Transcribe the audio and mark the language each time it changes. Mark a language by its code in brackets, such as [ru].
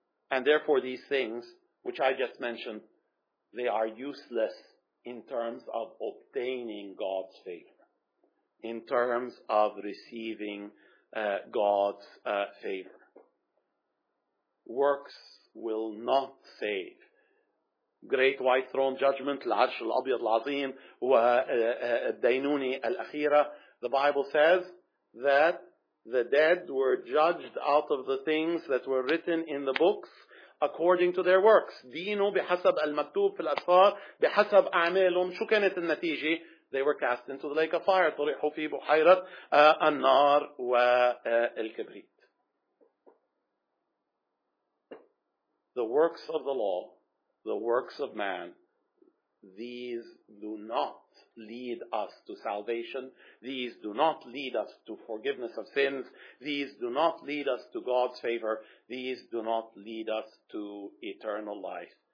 [en] And therefore, these things, which I just mentioned, they are useless in terms of obtaining God's favor. In terms of receiving God's favor. Works will not save. Great White Throne Judgment, [ar] العرش الأبيض العظيم والدينوني الأخيرة. [en] The Bible says that the dead were judged out of the things that were written in the books according to their works. [ar] دينوا بحسب المكتوب في الأسفار بحسب أعمالهم شو كانت النتيجة. [en] They were cast into the lake of fire. [ar] طرحوا في بحيرة النار والكبريت. [en] The works of the law, the works of man, these do not lead us to salvation. These do not lead us to forgiveness of sins. These do not lead us to God's favor. These do not lead us to eternal life.